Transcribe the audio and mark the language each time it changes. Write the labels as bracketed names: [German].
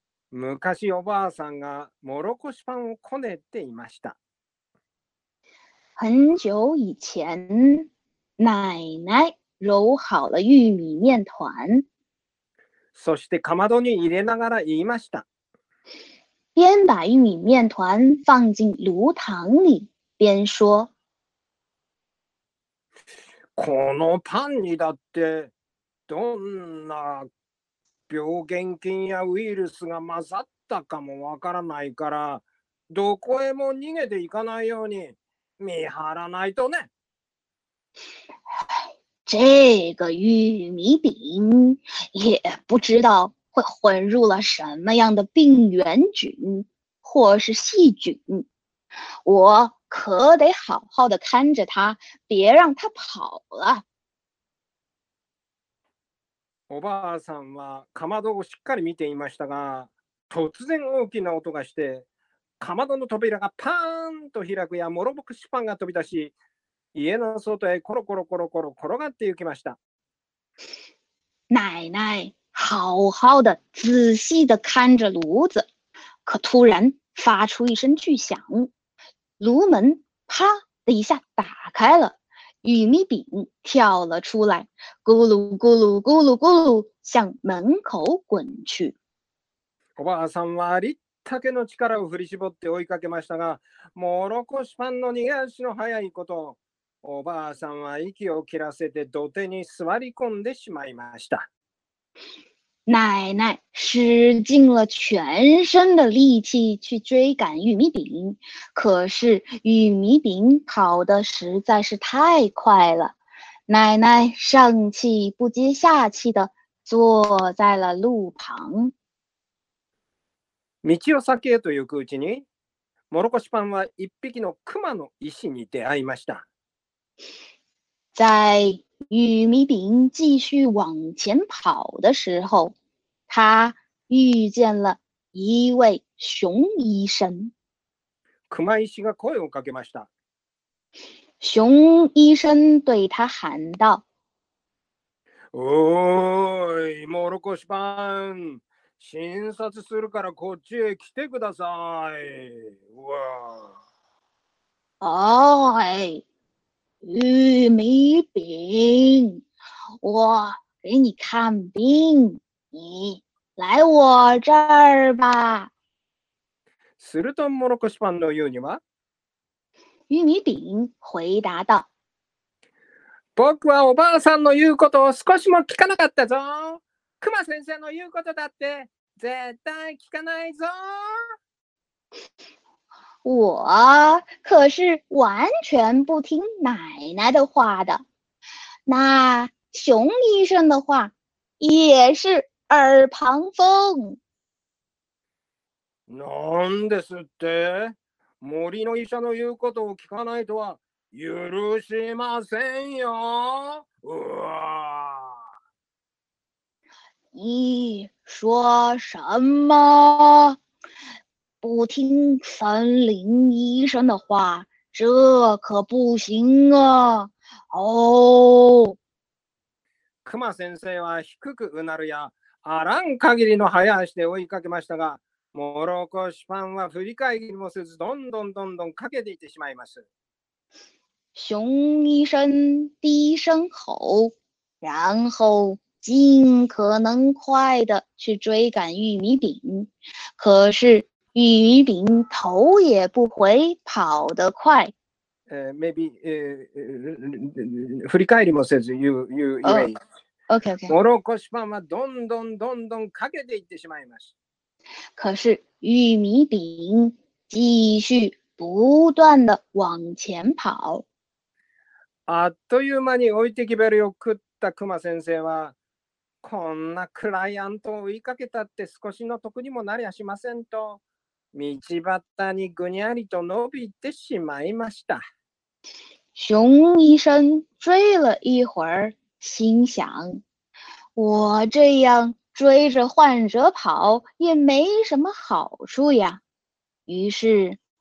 [Japanese] 昔おばあさんがもろこしパンをこねていました。 [Chinese] 很久以前、奶奶揉好了玉米面团。 [Japanese] そしてかまどに入れながら言いました。 [Chinese] 边把玉米面团放进炉膛里，边说：“ [Japanese] このパンにだってどんな病原菌やウイルスが混ざったかもわからないから、どこへも逃げていかないように見張らないとね。” [Chinese] 这个玉米饼也不知道会混入了什么样的病原菌或是细菌，我可得好好的看着它，别让它跑了。 [Japanese] おばあさんはかまどをしっかり見ていましたが、突然大きな音がして、かまどの扉がパーンと開くや、もろぼくしパンが飛び出し、家の外へコロコロコロコロ転がって行きました。 [Chinese] 奶奶好好的仔细的看着炉子，可突然发出一声巨响，炉门啪的一下打开了，玉米饼跳了出来，咕噜咕噜咕噜咕噜向门口滚去。 [Japanese] おばあさんはありったけの力を振り絞って追いかけましたが、もろこしパンの逃げ足の速いこと、おばあさんは息を切らせて土手に座り込んでしまいました。 [Chinese] 奶奶使尽了全身的力气去追赶玉米饼，可是玉米饼跑得实在是太快了，奶奶上气不接下气地坐在了路旁。 [Japanese] 道を先へと行くうちに、もろこしパンは一匹の熊の石に出会いました。 [Chinese] 在玉米饼继续往前跑的时候，他遇见了一位熊医生。 [Japanese] 熊医师が声をかけました。 [Chinese] 熊医生对他喊道： [Japanese] おい、もろこしパン、診察するからこっちへ来てください。わ [Chinese] おい玉米饼，我给你看病，你来我这儿吧。 [Japanese] するともろこしパンの言うには、 [Chinese] 玉米饼回答道： [Japanese] 僕はおばあさんの言うことを少しも聞かなかったぞ。熊先生の言うことだって絶対聞かないぞ。 [Chinese] 我可是完全不听奶奶的话的，那熊医生的话也是耳旁风。 [Japanese] なんですって、森の医者の言うことを聞かないとは許しませんよ。うわ。 [Chinese] 你说什么？不听森林医生的话，这可不行啊！哦， [Japanese] 熊先生は低くうなるや、あらん限りの早足で追いかけましたが、もろこしパンは振り返りもせず、どんどんどんどん駆けていってしまいます。 [Chinese] 熊医生低声吼，然后尽可能快的去追赶玉米饼，可是。玉米饼头也不回跑得快。 [Japanese] 振り返りもせず言う、言う、言う。 Okay. もろこしパンはどんどんどんどん駆けていってしまいます。 [Chinese] 可是玉米饼继续不断的往前跑。 [Japanese] あっという間に置いてきぼりを食った熊先生は、こんなクライアントを追いかけたって少しの得にもなりゃしませんと。道端にぐにゃりと伸びてしまいました。 [Chinese] 熊医生追了一会儿，心想：我这样追着患者跑也没什么好处呀。于是